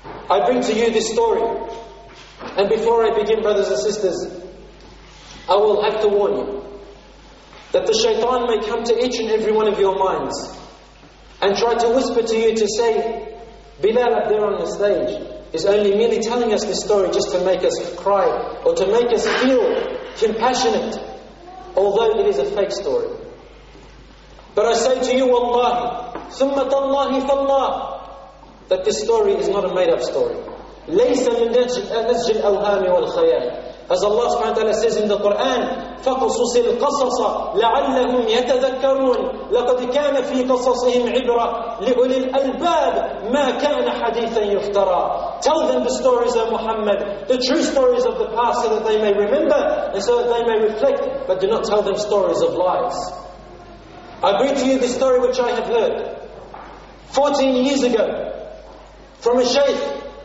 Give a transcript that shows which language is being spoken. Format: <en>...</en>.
<en>I bring to you this story. And before I begin, brothers and sisters, I will have to warn you that the shaitan may come to each and every one of your minds and try to whisper to you to say, Bilal up there on the stage is only merely telling us this story just to make us cry or to make us feel compassionate, although it is a fake story. But I say to you, Wallahi,</en> <ar>ثُمَّ تَاللَّهِ فَاللَّهِ,</ar> <en>that this story is not a made-up story.</en> <ar>لَيْسَ مِنْ نَزْجِ الْأَوْهَامِ وَالْخَيَالِ.</ar> <en>As Allah subhanahu wa ta'ala says in the Quran,</en> <ar>فَقُصُصِ الْقَصَصَ لَعَلَّهُمْ يَتَذَكَّرُونَ لَقَدْ كَانَ فِي قَصَصِهِمْ عِبْرَةً لِأُولِي الْأَلْبَابِ مَا كَانَ حَدِيثًا يُفْتَرَى.</ar> <en>Tell them the stories of Muhammad, the true stories of the past, so that they may remember and so that they may reflect, but do not tell them stories of lies. I bring to you the story which I have heard 14 years ago from a shaykh.</en>